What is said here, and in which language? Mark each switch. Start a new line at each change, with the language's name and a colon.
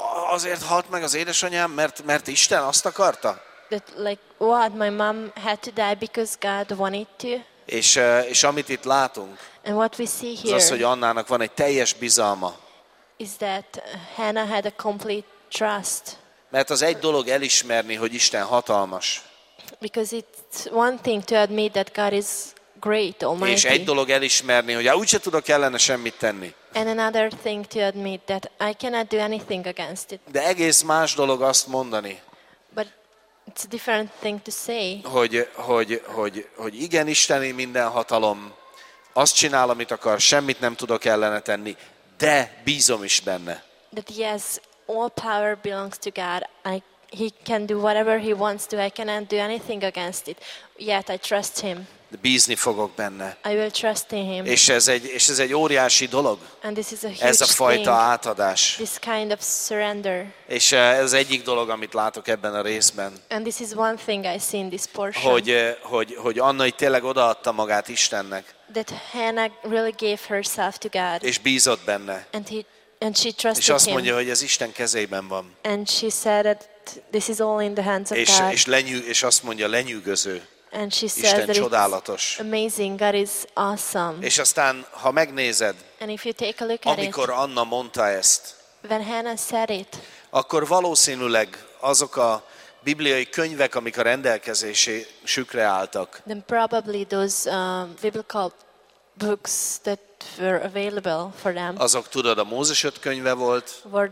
Hungarian: Azért halt meg az édesanyám, mert Isten azt akarta.
English: That, like what my mom had to die because God wanted to.
Hungarian: És amit itt látunk.
English: And what we see here.
Hungarian: Az, hogy Annának van egy teljes bizalma.
English: Is that Hannah had a complete trust.
Hungarian: Mert az egy dolog elismerni, hogy Isten hatalmas.
English: Because it's one thing to admit that God is great, almighty.
Hungarian: És egy dolog elismerni, hogy úgyse tudok ellene semmit tenni.
English: And another thing to admit that I cannot do anything against it.
Hungarian: De egész más dolog azt mondani.
English: But it's a different thing to say.
Hungarian: Hogy igen, Isteni minden hatalom, azt csinál, amit akar, semmit nem tudok ellene tenni, de bízom is benne.
English: That yes, all power belongs to God. He can do whatever he wants to. I cannot do anything against it. Yet I trust him.
Hungarian: De bízni fogok benne.
English: I will trust in him.
Hungarian: És ez egy óriási dolog.
English: And this is a huge
Hungarian: ez a fajta
English: thing,
Hungarian: átadás.
English: This kind of surrender.
Hungarian: És ez egyik dolog, amit látok ebben a részben.
English: And this is one thing I see in this portion.
Hungarian: Hogy Anna itt tényleg odaadta magát Istennek.
English: That Hannah really gave herself to God.
Hungarian: És bízott benne.
English: And she trusted
Hungarian: him. És azt mondja,
English: him.
Hungarian: Hogy ez Isten kezében van.
English: And she said that this is all in the hands of God.
Hungarian: És azt mondja, lenyűgöző.
English: And she
Hungarian: Isten
English: says that
Hungarian: csodálatos.
English: It's amazing, God is awesome.
Hungarian: És aztán, ha megnézed,
English: and if you take a look
Hungarian: amikor
English: at it,
Hungarian: Anna mondta ezt,
English: when Hannah said it,
Hungarian: akkor valószínűleg azok a bibliai könyvek, amik a rendelkezésükre álltak,
English: then probably those biblical books that were available for them,
Hungarian: azok tudod, a Mózes öt könyve volt,